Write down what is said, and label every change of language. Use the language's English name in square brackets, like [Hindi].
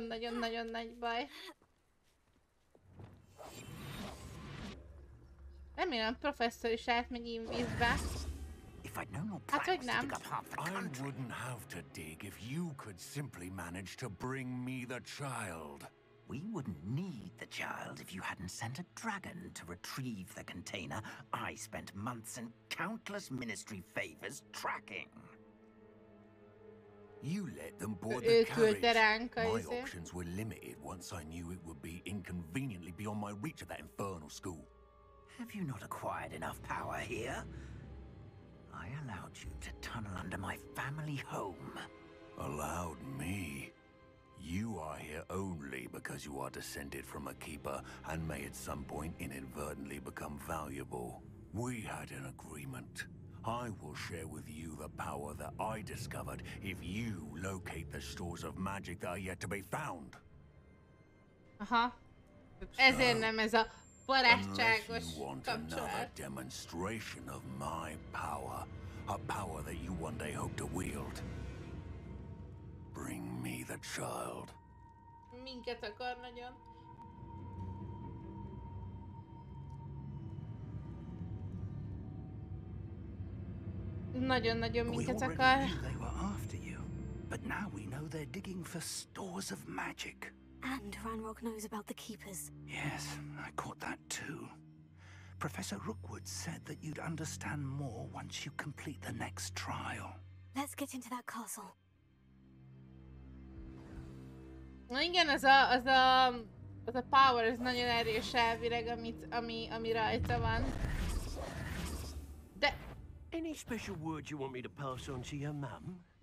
[Hungarian] Nagyon nagy baj. Remélem, a professzor is átmegy invízbe. Hát, hogy nem. [English] I wouldn't have to dig if you could simply manage to bring me the child. We wouldn't need the child if you hadn't sent a dragon to retrieve the container I spent months and countless ministry favors tracking. You let them board the carriage. My options were limited once I knew it would be inconveniently beyond my reach of that infernal school. Have you not acquired enough power here? I allowed you to tunnel under my family home. Allowed me? You are here only because you are descended from a keeper and may at some point inadvertently become valuable. We had an agreement. I will share with you the power that I discovered if you locate the stores of magic that are yet to be found. Aha. [Hungarian] Ezért nem ez a barátságos kapcsolat. [English] Unless you want another demonstration of my power, a power that you one day hope to wield, bring me the child. [Hungarian] Minket akar nagyon. Nagyon-nagyon minket akar. [English] We already knew they were after you, but now we know they're digging for stores of magic. And Ranrock knows about the keepers. Yes, I caught that too. Professor Rookwood said that you'd understand more once you complete the next trial. Let's get into that castle. [Hungarian] Na igen, az a power, ez nagyon erős elvileg, ami rajta van. De... [English] Any special word you want me to pass on to your mum?